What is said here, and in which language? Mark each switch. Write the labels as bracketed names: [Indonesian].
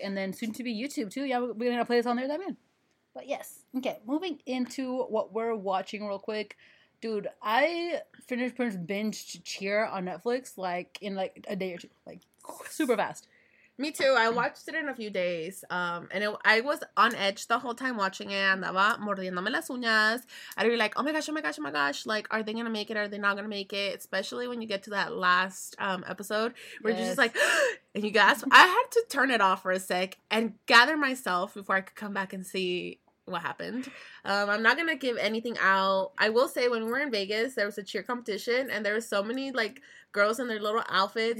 [English] And then soon to be YouTube, too. Yeah, we're going to play this on there. That man. But yes. Okay, moving into what we're watching real quick. Dude, I finished Prince Binge Cheer on Netflix, like, in, like, a day or two. Like, super fast. Me too. I watched it in a few days. I was on edge the whole time watching it. [Spanish] Andaba mordiéndome las uñas. [English] I'd be like, oh my gosh, oh my gosh, oh my gosh. Like, are they going to make it? Are they not going to make it? Especially when you get to that last episode where yes. you're just like, and you gasp. I had to turn it off for a sec and gather myself before I could come back and see what happened. I'm not going to give anything out. I will say when we were in Vegas, there was a cheer competition and there were so many like girls in their little outfits.